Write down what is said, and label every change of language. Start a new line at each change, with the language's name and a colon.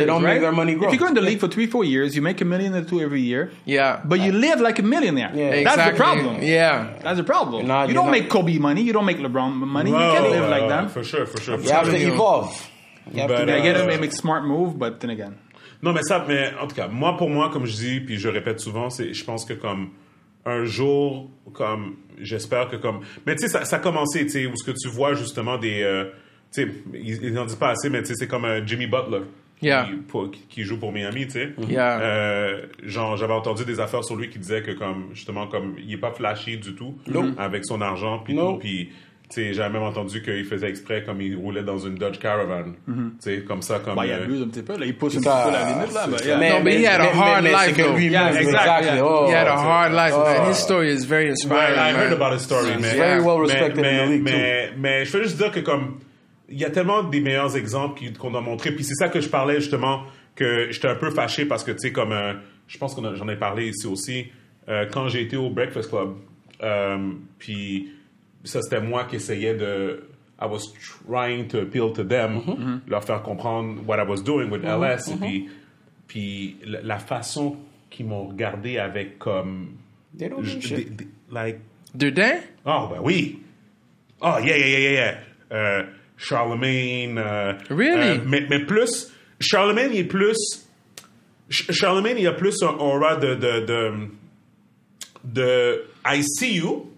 English: They don't make their money grow. If you go in the league for 3-4 years, you make a million or two every year. Yeah. But you live like a millionaire. Yeah, exactly. That's the problem. Yeah. That's the problem. You don't make Kobe money. You don't make LeBron money. Bro, you can't live like that. For sure. You have to evolve. You have to make smart move, but then again.
French: Non, mais ça, mais en tout cas, moi, pour moi, comme je dis, puis je répète souvent, c'est, je pense que comme un jour, comme. J'espère que comme... Mais tu sais, ça a commencé, tu sais, où ce que tu vois justement des... tu sais, ils n'en disent pas assez, mais tu sais, c'est comme Jimmy Butler qui joue pour Miami, tu sais.
English: Yeah.
French: Genre, j'avais entendu des affaires sur lui qui disaient que comme, justement, comme il n'est pas flashy du tout avec son argent. Puis puis tu sais, j'avais même entendu qu'il faisait exprès comme il roulait dans une Dodge Caravan. Mm-hmm. Tu sais, comme ça, comme... Bah, il abuse un petit peu, là. Il pousse un petit peu la limite, là. Mais il a un
English: hard life, though. Exactly. He had a hard life, man. His story is very inspiring, man. I heard about his story, man. He's very well respected in the league, too.
French: Mais je veux juste dire que, comme, il y a tellement des meilleurs exemples qu'on a montré. Puis c'est ça que je parlais, justement, que j'étais un peu fâché parce que, tu sais, comme... je pense que j'en ai parlé ici aussi. Quand j'ai été au Breakfast Club, puis... Ça, c'était moi qui essayais de...
English: I was trying to appeal to them,
French: leur faire comprendre
English: what I was doing with LS. Mm-hmm.
French: Puis la façon qu'ils m'ont regardé avec comme...
English: They don't mean shit. Like...
French: Dedans? Oh, ben oui.
English: Oh, yeah.
French: Charlemagne...
English: Really?
French: Mais plus... Charlemagne, il est plus... Charlemagne, il a plus un aura de
English: I see you.